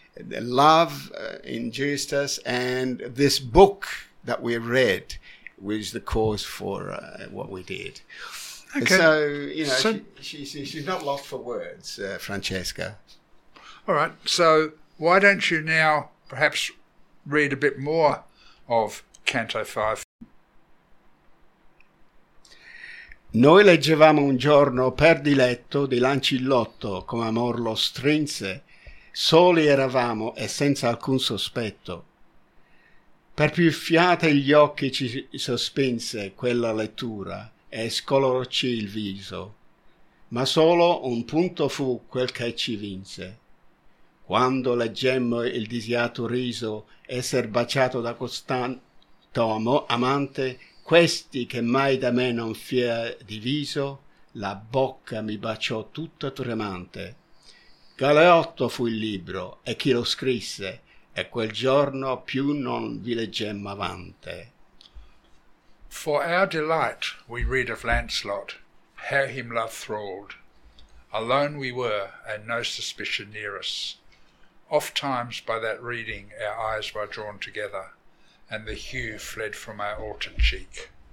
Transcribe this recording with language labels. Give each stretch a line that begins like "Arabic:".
English: The love induced us, and this book that we read was the cause for what we did. Okay. So, you know, so, she's not lost for words, Francesca. All right. So why don't you now perhaps read a bit more of Canto 5?
Italian: Noi leggevamo un giorno per diletto di Lancillotto, come amor lo strinse. Soli eravamo e senza alcun sospetto. Per più fiate gli occhi ci sospinse quella lettura. E scolorci il viso, ma solo un punto fu quel che ci vinse. Quando leggemmo il disiato riso, esser baciato da costanto amante, questi che mai da me non fia diviso, la bocca mi baciò tutta tremante. Galeotto fu il libro, e chi lo scrisse, e quel giorno più non vi leggemmo avante.
English: For our delight we read of Lancelot, how him love thralled. Alone we were, and no suspicion near us. Oft times by that reading our eyes were drawn together, and the hue fled from our altered cheek.